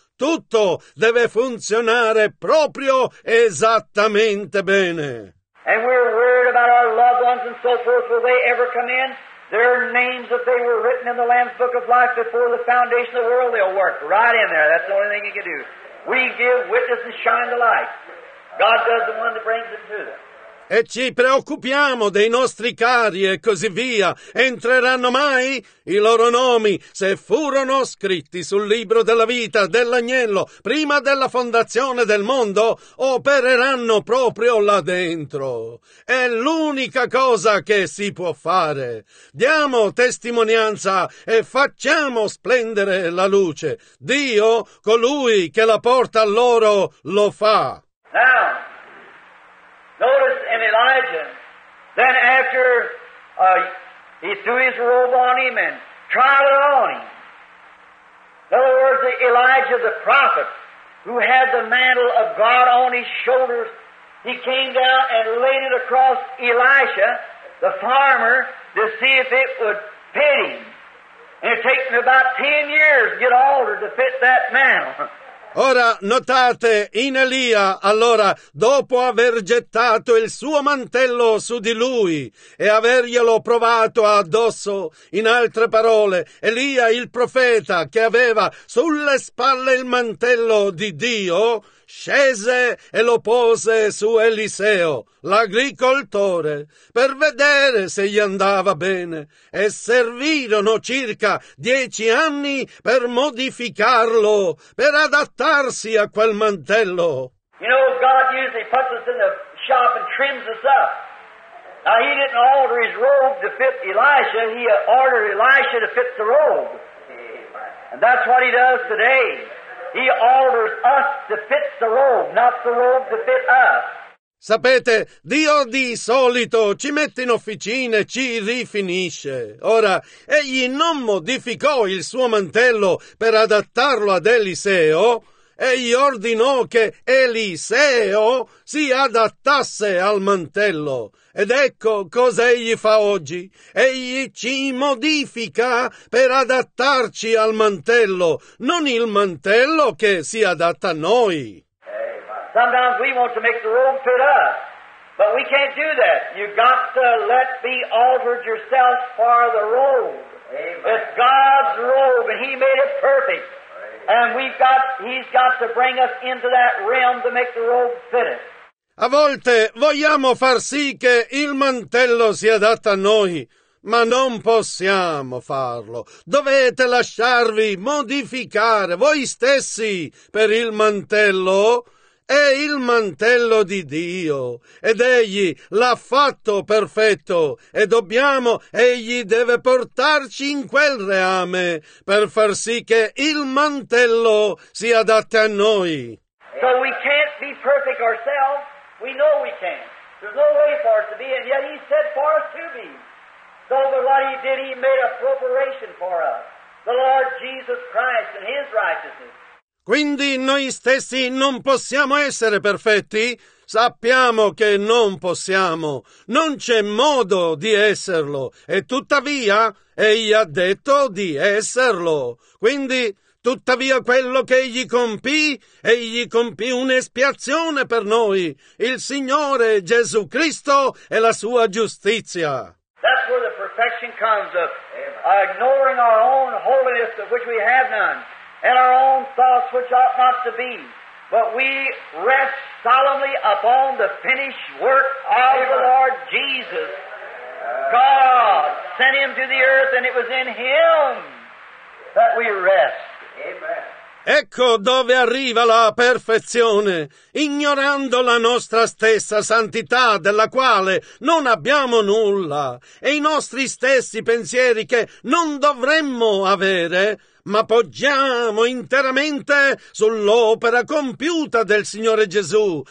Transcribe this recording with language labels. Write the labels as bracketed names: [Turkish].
[Italian] Tutto deve funzionare proprio esattamente bene. [English] And we're worried about our loved ones and so forth. Will they ever come in? Their names, if they were written in the Lamb's Book of Life before the foundation of the world, they'll work right in there. That's the only thing you can do. We give witness and shine the light. God does the one that brings it to them. [Italian] E ci preoccupiamo dei nostri cari e così via. Entreranno mai i loro nomi, se furono scritti sul libro della vita dell'agnello prima della fondazione del mondo, opereranno proprio là dentro. È l'unica cosa che si può fare. Diamo testimonianza e facciamo splendere la luce. Dio, colui che la porta a loro, lo fa. [English] Notice in Elijah, then after he threw his robe on him and tried it on him. In other words, Elijah the prophet, who had the mantle of God on his shoulders, he came down and laid it across Elisha, the farmer, to see if it would fit him. And it took me about 10 years to get altered to fit that mantle. [Italian] Ora notate, in Elia, allora, dopo aver gettato il suo mantello su di lui e averglielo provato addosso, in altre parole, Elia il profeta che aveva sulle spalle il mantello di Dio, scese e lo pose su Eliseo, l'agricoltore, per vedere se gli andava bene, e servirono circa 10 anni per modificarlo, per adattarsi a quel mantello. [English] You know, God usually puts us in the shop and trims us up. Now, he didn't order his robe to fit Elisha, he ordered Elisha to fit the robe. And that's what he does today. He orders us to fit the robe, not the robe to fit us. [Italian] Sapete, Dio di solito ci mette in officina e ci rifinisce. Ora, egli non modificò il suo mantello per adattarlo ad Eliseo, egli ordinò che Eliseo si adattasse al mantello. Ed ecco cosa egli fa oggi. Egli ci modifica per adattarci al mantello, non il mantello che si adatta a noi. [English] Sometimes we want to make the robe fit us, but we can't do that. You got to let be altered yourself for the robe. It's God's robe, and He made it perfect. And He's got to bring us into that realm to make the robe fit us. [Italian] A volte vogliamo far sì che il mantello si adatta a noi, ma non possiamo farlo. Dovete lasciarvi modificare voi stessi per il mantello. È il mantello di Dio, ed Egli l'ha fatto perfetto, e dobbiamo, Egli deve portarci in quel reame per far sì che il mantello si adatti a noi. [English] So we can't be perfect ourselves, we know we can't. There's no way for us to be, and yet He said for us to be. So what He did, He made a preparation for us, the Lord Jesus Christ and His righteousness. [Italian] Quindi noi stessi non possiamo essere perfetti? Sappiamo che non possiamo, non c'è modo di esserlo, e tuttavia Egli ha detto di esserlo. Quindi, tuttavia quello che Egli compì un'espiazione per noi, il Signore Gesù Cristo e la sua giustizia. [English] That's where the perfection comes of ignoring our own holiness of which we have none. And our own thoughts which ought not to be, but we rest solemnly upon the finished work of the Lord Jesus. God sent Him to the earth, and it was in Him that we rest. Amen. [Italian] Ecco dove arriva la perfezione, ignorando la nostra stessa santità, della quale non abbiamo nulla, e i nostri stessi pensieri che non dovremmo avere, ma poggiamo interamente sull'opera compiuta del Signore Gesù.